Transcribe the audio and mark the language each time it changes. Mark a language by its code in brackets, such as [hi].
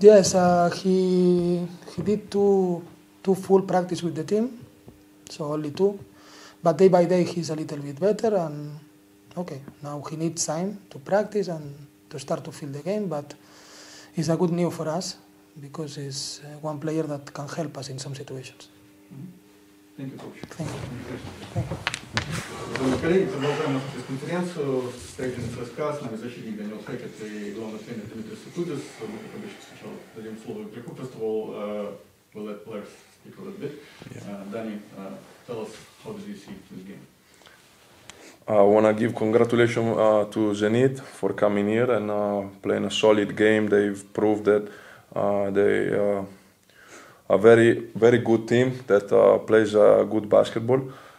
[en] Yes, he did two full practice with the team, so only two. But day by day, he's a little bit better. And okay, now he needs time to practice and to start to feel the game. But it's a good news for us because it's one player that can help us in some situations. Mm-hmm. Thank you, Coach. Thank you. [ru] Коллеги, продолжаем нашу пресс-конференцию с тренером ЦСКА, с нами защитник Даниил Хекет и главный тренер Дмитрий Сутудис. Мы, как обычно, сначала дадим слово игроку. [en] First of all, we'll let players speak a little bit. Дани, tell us, how did you see this game? I want to give congratulations to Zenit for coming here and playing a solid game. They've proved that they a very, very good team that plays good basketball.